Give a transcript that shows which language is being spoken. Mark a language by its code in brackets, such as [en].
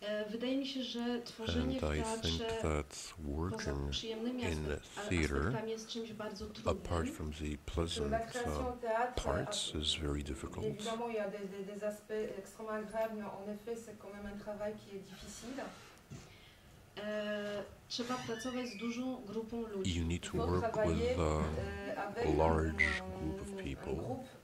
[pl] Wydaje mi się, że tworzenie w teatrze poza przyjemnymi aspektami jest czymś bardzo trudnym. [en] Apart from the pleasant parts is very difficult. [fr] Évidemment, il y a des aspects extrêmement agréables, mais en effet, c'est quand même un travail qui est difficile. [pl] trzeba pracować z dużą grupą ludzi. [en] You need to work with a large group of people.